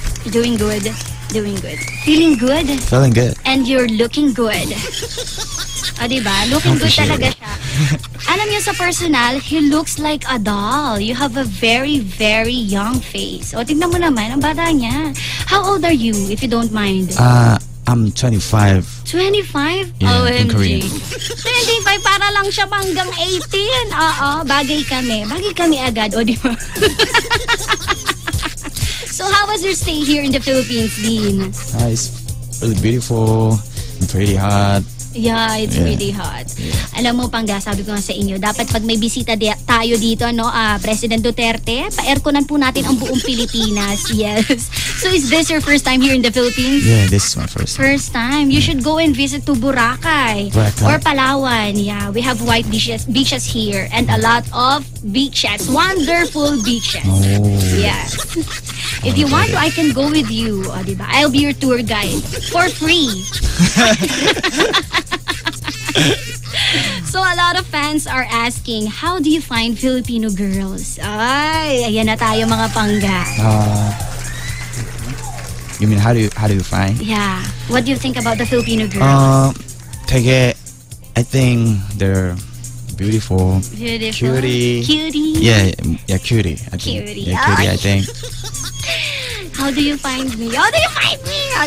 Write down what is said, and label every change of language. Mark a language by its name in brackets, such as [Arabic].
[English] Doing good. Doing good. Feeling good? Feeling good. And you're looking good. [Filipino] O, diba? Looking good talaga siya. Alam niyo sa personal, [English] he looks like a doll. You have a very, very young face. [Filipino] O, tignan mo naman, ang bata niya. [English] How old are you, if you don't mind? I'm 25. 25? Yeah, OMG. In Korean. [Filipino] 25, para lang siya hanggang 18. Oo, bagay kami. Bagay kami agad, o di ba? [English] So, how was your stay here in the Philippines, Dean? It's really beautiful. Pretty hot. Yeah, it's pretty hot. Yeah. [Filipino] Alam mo, Pangga, sabi ko nga sa inyo, dapat pag may bisita tayo dito, no, President Duterte, pa-airconan po natin ang buong Pilipinas. Yes. [English] So is this your first time here in the Philippines? Yeah, this is my first time. First time. You should go and visit to Boracay. Or Palawan. Yeah, we have white beaches here and a lot of beaches. Wonderful beaches. Oh. Yes. If you want, I can go with you. [Filipino] Oh, diba? [English] I'll be your tour guide for free. So a lot of fans are asking, how do you find Filipino girls? [Filipino] Ay, ayan na tayo mga Pangga. [English] You mean how do you find? Yeah. What do you think about the Filipino girls? I think they're beautiful. Beautiful. Cutie. Cutie. Yeah, cutie. I think. Cutie. Yeah, cutie, I think. How do you find me? How do you find me?